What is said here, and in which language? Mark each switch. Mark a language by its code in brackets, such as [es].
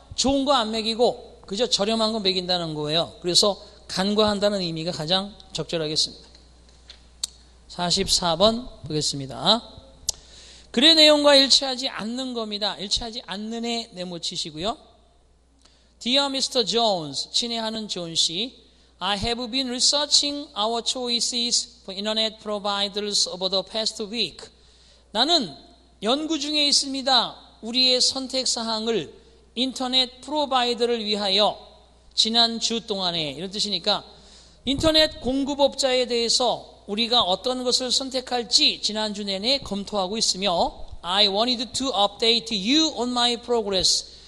[ko] 좋은 거 안 먹이고 그죠? 저렴한 거 먹인다는 거예요. 그래서 간과한다는 의미가 가장 적절하겠습니다. 44번 보겠습니다. 글의 내용과 일치하지 않는 겁니다. 일치하지 않는에 네모 치시고요. [en] Dear Mr. Jones, [ko] 친애하는 존 씨, [en] I have been researching our choices for internet providers over the past week. [ko] 나는 연구 중에 있습니다. 우리의 선택 사항을 인터넷 프로바이더를 위하여 지난 주 동안에, 이런 뜻이니까 인터넷 공급업자에 대해서 우리가 어떤 것을 선택할지 지난주 내내 검토하고 있으며 [en] I wanted to update you on my progress.